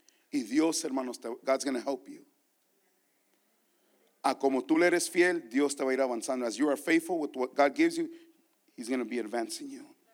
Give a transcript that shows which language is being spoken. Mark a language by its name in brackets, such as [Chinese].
[Spanish] Y Dios, hermanos, [English] God's going to help you. [Spanish] A como tú le eres fiel, Dios te va a ir avanzando. [English] As you are faithful with what God gives you, He's going to be advancing you.